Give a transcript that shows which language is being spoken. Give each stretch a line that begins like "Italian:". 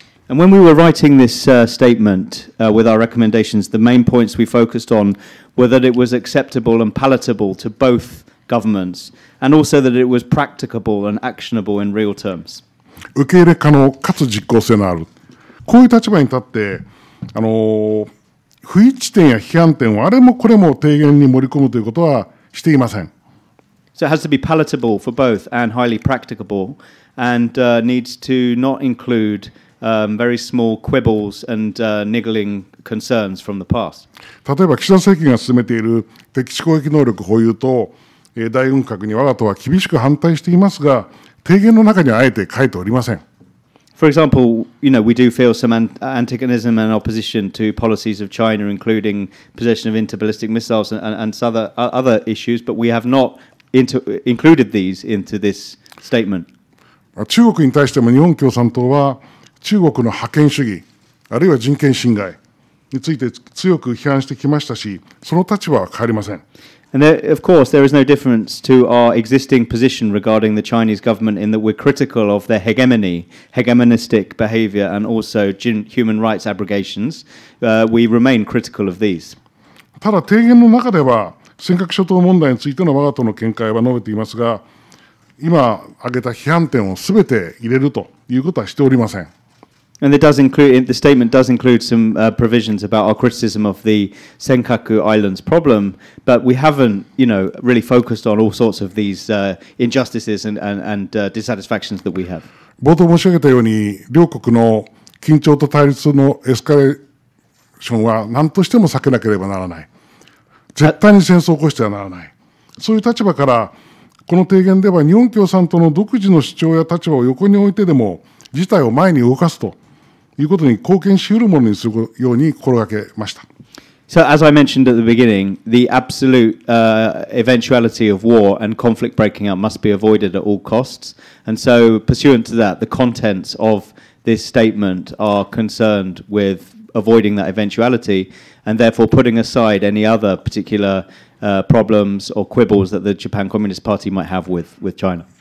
English: And when we were writing this statement with our recommendations, the main points we focused on were that it was acceptable and palatable to both governments, and also that it was practicable and actionable in real terms.
Japanese: 受け入れ可能かつ実効性のある。こういう立場に立って、不一致点や批判点をあれもこれも提言に盛り込むということはしていません。
English: So it has to be palatable for both and highly practicable and needs to not include very small quibbles and niggling concerns from the past.
Japanese: 例えば岸田政権が進めている敵基地攻撃能力保有と大軍拡に我が党は厳しく反対していますが、提言の中にはあえて書いておりません。
English: For example, you know, we do feel some antagonism and opposition to policies of China, including possession of interballistic missiles and other issues, but we have not included these into this statement.
Japanese: 中国に対しても日本共産党は中国の覇権主義、あるいは人権侵害について強く批判してきましたし、その立場は変わりません。
English: And there, of course, there is no difference to our existing position regarding the Chinese government in that we're critical of their hegemony, hegemonistic behavior, and also human rights abrogations. We remain critical of these.
Japanese: ただ提言の中では、尖閣諸島問題についての我が党の見解は述べていますが、今挙げた批判点をすべて入れるということはしておりません。
English: And it does include, the statement does include some provisions about our criticism of the Senkaku Islands problem, but we haven't, you know, really focused on all sorts of these injustices and dissatisfactions that we have.
Japanese: 冒頭申し上げたように、両国の緊張と対立のエスカレーションは何としても避けなければならない。絶対に戦争を起こしてはならない。そういう立場から、この提言では日本共産党の独自の主張や立場を横に置いてでも、事態を前に動かすということに貢献し得るものにするように心がけました。
English: So as I mentioned at the beginning, the absolute eventuality of war and conflict breaking out must be avoided at all costs. And so pursuant to that, the contents of this statement are concerned with avoiding that eventuality and therefore putting aside any other particular problems or quibbles that the Japan Communist Party might have with China.